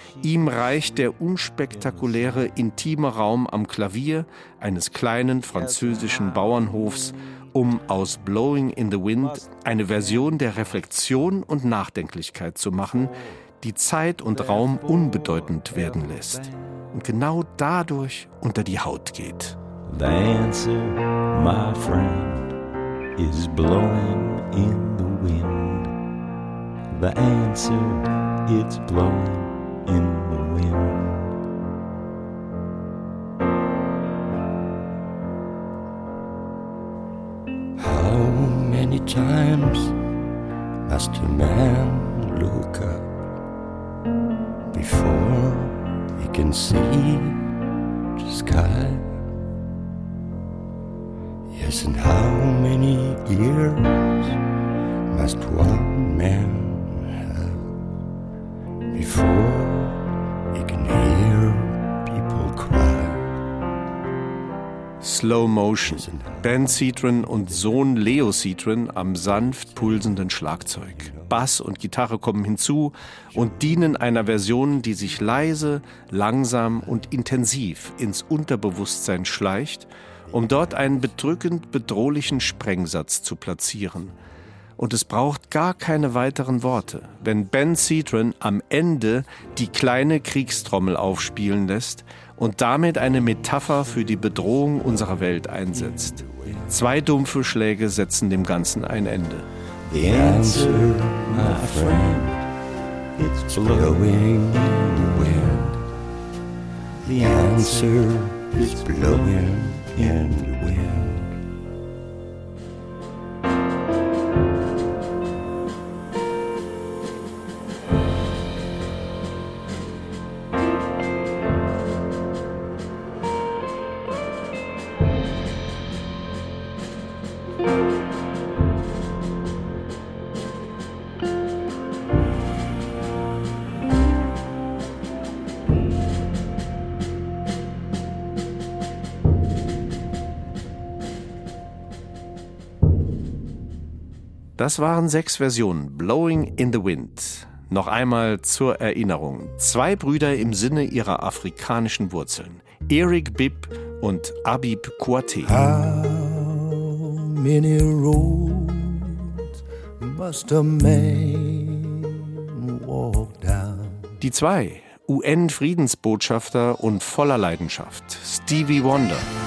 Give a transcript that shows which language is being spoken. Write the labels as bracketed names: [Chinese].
[German] Ihm reicht der unspektakuläre, intime Raum am Klavier eines kleinen französischen Bauernhofs, um aus Blowing in the Wind eine Version der Reflexion und Nachdenklichkeit zu machen, die Zeit und Raum unbedeutend werden lässt und genau dadurch unter die Haut geht. [English] The answer, my friend, is blowing in the wind. The answer, it's blowing in the wind. How many times must a man look up before he can see the sky? Yes, and how many years must one man have before [German] Slow Motion, Ben Cedrin und Sohn Leo Cedrin am sanft pulsenden Schlagzeug. Bass und Gitarre kommen hinzu und dienen einer Version, die sich leise, langsam und intensiv ins Unterbewusstsein schleicht, um dort einen bedrückend bedrohlichen Sprengsatz zu platzieren. Und es braucht gar keine weiteren Worte, wenn Ben Cedrin am Ende die kleine Kriegstrommel aufspielen lässt und damit eine Metapher für die Bedrohung unserer Welt einsetzt. Zwei dumpfe Schläge setzen dem Ganzen ein Ende. [English] The answer, my friend, it's blowing in the wind. The answer is blowing in the wind. [German] Das waren 6 Versionen, Blowing in the Wind. Noch einmal zur Erinnerung. 2 Brüder im Sinne ihrer afrikanischen Wurzeln. Eric Bibb und Abib Kwate. [English] How many roads must a man walk down? [German] Die 2, UN-Friedensbotschafter und voller Leidenschaft, Stevie Wonder.